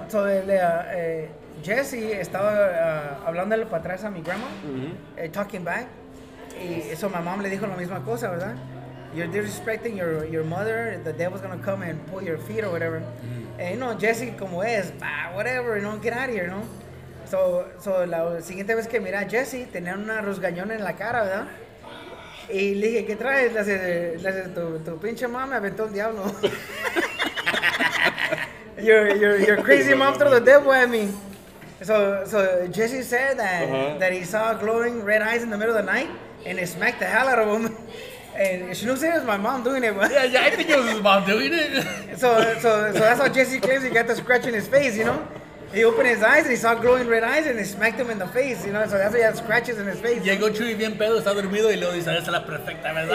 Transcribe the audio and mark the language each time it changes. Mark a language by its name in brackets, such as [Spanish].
[Spanish] So, Jesse estaba hablándole para atrás a mi grandma. Mm-hmm. [English] Talking back. [Spanish] Y eso, my mom le dijo la misma cosa, ¿verdad? [English] You're disrespecting your mother, the devil's gonna come and pull your feet or whatever. Mm-hmm. And, you know, Jesse, [Spanish] como es, [English] whatever, you know, get out of here, you know? [Spanish] So la siguiente vez que miré a Jesse, tenía una rasgañona en la cara, ¿verdad? Y le dije, ¿qué traes? Le dije, tu pinche mamá me aventó el diablo. [English] your crazy mom threw the devil at me. So Jesse said that he saw glowing red eyes in the middle of the night. And it smacked the hell out of him. And she knew it was my mom doing it. But yeah, I think it was his mom doing it. So that's how Jesse claims he got the scratch in his face, you know? He opened his eyes and he saw glowing red eyes and it smacked him in the face, you know? So that's why he had scratches in his face. [Spanish] Llegó Chuy bien pedo, está dormido, y luego dice, esa es la perfecta, ¿verdad?